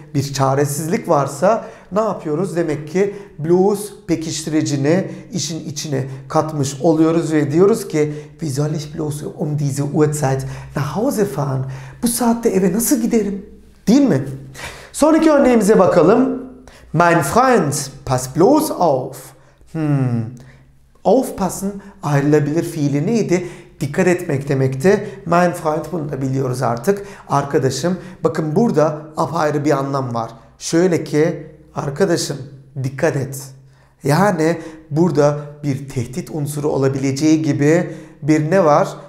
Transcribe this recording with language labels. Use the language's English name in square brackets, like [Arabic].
[Turkish] Bir çaresizlik varsa ne yapıyoruz? Demek ki blues pekiştiricini işin içine katmış oluyoruz ve diyoruz ki [German] Wie soll ich bloß um diese Uhrzeit nach Hause fahren? [Turkish] Bu saatte eve nasıl giderim? Değil mi? Sonraki örneğimize bakalım. [German] Mein Freund, pass bloß auf. [Turkish] Aufpassen ayrılabilir fiili neydi? Dikkat etmek demekti. [German] Mein Freund [Turkish] bunu da biliyoruz artık. Arkadaşım. Bakın burada apayrı bir anlam var. Şöyle ki arkadaşım dikkat et. Yani burada bir tehdit unsuru olabileceği gibi bir ne var?